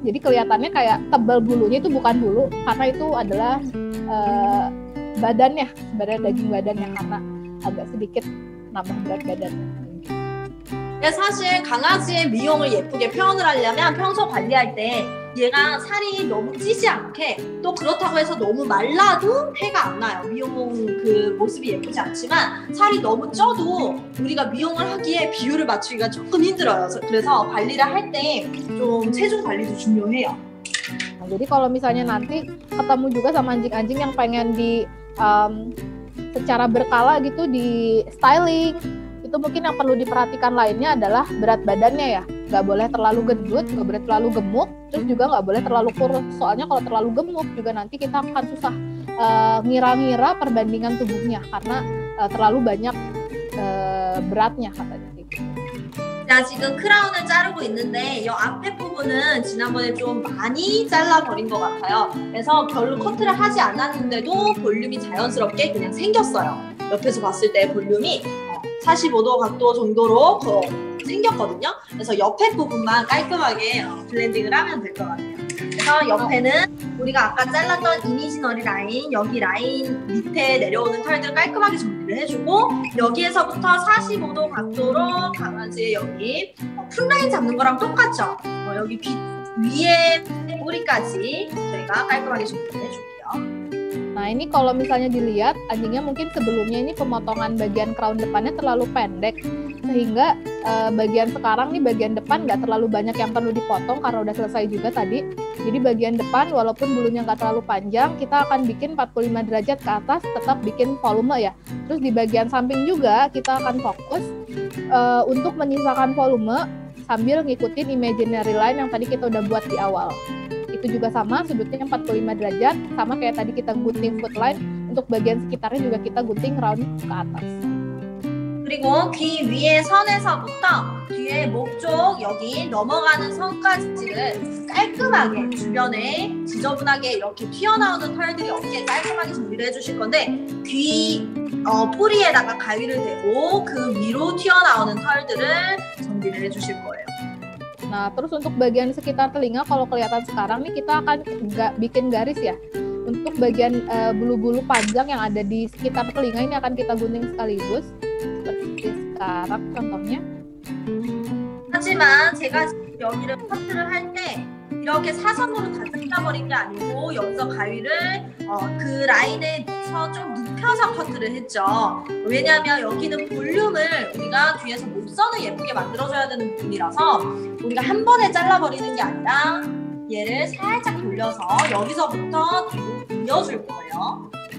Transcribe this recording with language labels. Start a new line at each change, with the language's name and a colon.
Indonesian: Jadi kelihatannya kayak tebal bulunya itu bukan bulu, karena itu adalah badannya, sebenarnya daging badan yang karena agak sedikit nambah berat badan.
Korean: 사실 강아지의 미용을 예쁘게 표현을 하려면 평소 관리할 때 얘가 살이 너무 찌지 않게 또 그렇다고 해서 너무 말라도 폐가 안 나요. 미용 그 모습이 예쁘지 않지만 살이 너무 쪄도 우리가 미용을 하기에 비율을 맞추기가 조금 힘들어요. 그래서 관리를 할 때 좀 체중 관리도 중요해요.
Indonesian: Jadi kalau misalnya nanti ketemu juga sama anjing-anjing yang pengen di secara berkala gitu di styling, itu mungkin yang perlu diperhatikan lainnya adalah berat badannya ya. Nggak boleh terlalu gendut, nggak boleh terlalu gemuk, terus juga nggak boleh terlalu kurus. Soalnya kalau terlalu gemuk juga nanti kita akan susah ngira-ngira perbandingan tubuhnya karena terlalu banyak beratnya katanya.
Korean: Nah, 지금 크라운을 자르고 있는데 이 앞에 부분은 지난번에 좀 많이 잘라버린 것 같아요. 그래서 별로 커트를 하지 않았는데도 볼륨이 자연스럽게 그냥 생겼어요. 옆에서 봤을 때 볼륨이 45도 각도 정도로 생겼거든요. 그래서 옆에 부분만 깔끔하게 블렌딩을 하면 될 것 같아요. 그래서 옆에는 우리가 아까 잘랐던 이미지너리 라인, 여기 라인 밑에 내려오는 털들을 깔끔하게 정리를 해주고 여기에서부터 45도 각도로 강아지의 여기 풀라인 잡는 거랑 똑같죠? 여기 귀 위에 뿌리까지 저희가 깔끔하게 정리를 해줄게요.
Indonesian: Nah ini kalau misalnya dilihat anjingnya mungkin sebelumnya ini pemotongan bagian crown depannya terlalu pendek sehingga bagian sekarang nih bagian depan nggak terlalu banyak yang perlu dipotong karena udah selesai juga tadi. Jadi bagian depan walaupun bulunya nggak terlalu panjang kita akan bikin 45 derajat ke atas tetap bikin volume ya. Terus di bagian samping juga kita akan fokus untuk menyisakan volume sambil ngikutin imaginary line yang tadi kita udah buat di awal. Itu juga sama, sudutnya 45 derajat, sama kayak tadi kita gunting foot line, untuk bagian sekitarnya juga kita gunting round ke atas.
Korean: 그리고 귀 위에 선에서부터 뒤에 목쪽 여기 넘어가는 선까지를 깔끔하게 주변에 지저분하게 이렇게 튀어나오는 털들이 없게 깔끔하게 정리를 해주실 건데 귀 뿌리에다가 가위를 대고 그 위로 튀어나오는 털들을 정리를 해주실 거예요.
Indonesian: Nah, terus untuk bagian sekitar telinga, kalau kelihatan sekarang nih, kita akan bikin garis ya. Untuk bagian bulu-bulu panjang yang ada di sekitar telinga ini akan kita gunting sekaligus. Seperti sekarang, contohnya.
Korean: 하지만 제가 여기를 커트를 할 때 이렇게 사선으로 다 뜯어버린 게 아니고 여기서 가위를 그 라인에 서 좀 눕혀서 커트를 했죠. 왜냐하면 여기는 볼륨을 우리가 뒤에서 몸선을 예쁘게 만들어줘야 되는 부분이라서 우리가 한 번에 잘라버리는 게 아니라 얘를 살짝 돌려서 여기서부터 이어줄 거예요.